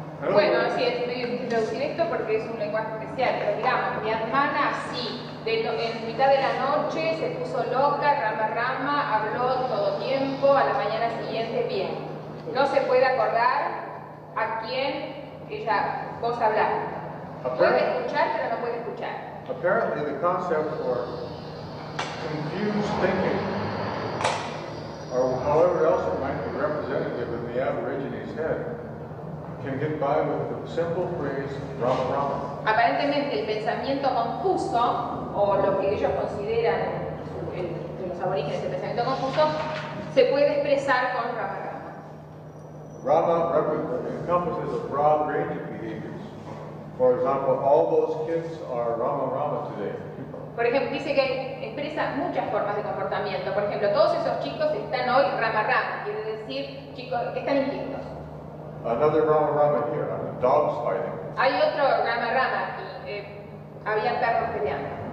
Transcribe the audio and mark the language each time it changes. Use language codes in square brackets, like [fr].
[es] Bueno, sí, es medio difícil traducir esto porque es un lenguaje especial, pero digamos, mi hermana, sí, en mitad de la noche se puso loca, rama rama, habló todo tiempo, a la mañana siguiente, bien. No se puede acordar a quién ella, vos hablar. Puede escuchar, pero no puede escuchar. [en] Apparently the concept for confused thinking, or however else it might be representative in the aborigine's head, can get by with the simple phrase, rama rama. [es] Aparentemente el pensamiento confuso, o lo que ellos consideran los aborígenes el pensamiento confuso, se puede expresar con rama rama. [en] Rama encompasses a broad range of behaviors. For example, all those kids are rama rama today. [es] Por ejemplo, dice que expresa muchas formas de comportamiento. Por ejemplo, todos esos chicos están hoy rama rama, quiere decir chicos que están inquietos. [en] Another rama rama here, dogs fighting. [es] Hay otro rama rama aquí, había perros peleando.